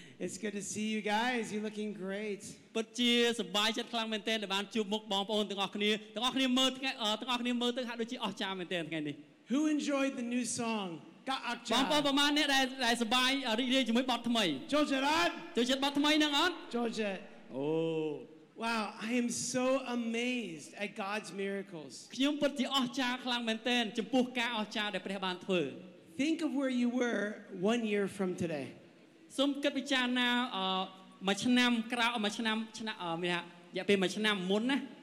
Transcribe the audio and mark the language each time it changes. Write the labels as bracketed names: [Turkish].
[English] It's good to see you guys you're looking great [Khmer] ពិតជាសប្បាយចិត្តខ្លាំងមែនទែនដែលបានជួបមុខបងប្អូនទាំងអស់គ្នាទាំងអស់គ្នាមើលថ្ងៃទាំងអស់គ្នាមើលទៅហាក់ដូចជាអស្ចារ្យមែនទែនថ្ងៃនេះ [English] Who enjoyed the new song [Khmer] បងប្អូនប្រមាណអ្នកដែលសប្បាយរីករាយជាមួយបទថ្មី ចូលចិត្ត ចូលចិត្តបទថ្មីហ្នឹងអត់ចូលចិត្ត អូ [English] Wow I am so amazed at God's miracles [Khmer] ខ្ញុំពិតជាអស្ចារ្យខ្លាំងមែនទែនចំពោះការអស្ចារ្យដែលព្រះបានធ្វើ [English] Think of where you were 1 year from today [Khmer] សូមគិតពិចារណាមួយឆ្នាំក្រោយមួយឆ្នាំឆ្នាំមានថារយៈពេលមួយឆ្នាំមុនណា